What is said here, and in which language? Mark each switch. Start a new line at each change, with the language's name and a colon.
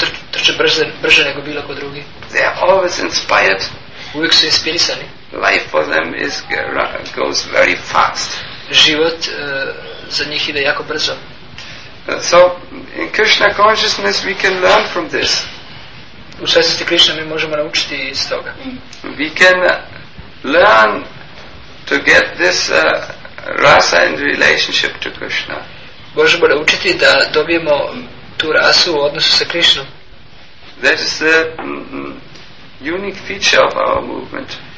Serbian: Trče brže nego bilo ko drugi.
English: They are always inspired.
Serbian: Uvijek su inspirisani.
English: Life for them is goes very fast.
Serbian: Život za njih ide jako brzo.
English: So in Krishna consciousness we can learn from this.
Serbian: U svjesnosti Krishna mi možemo naučiti iz toga.
English: We can learn to get this rasa in relationship to Krishna.
Serbian: Možemo naučiti da dobijemo tu rasu u odnosu sa Krishnom.
English: That is the unique feature of our movement.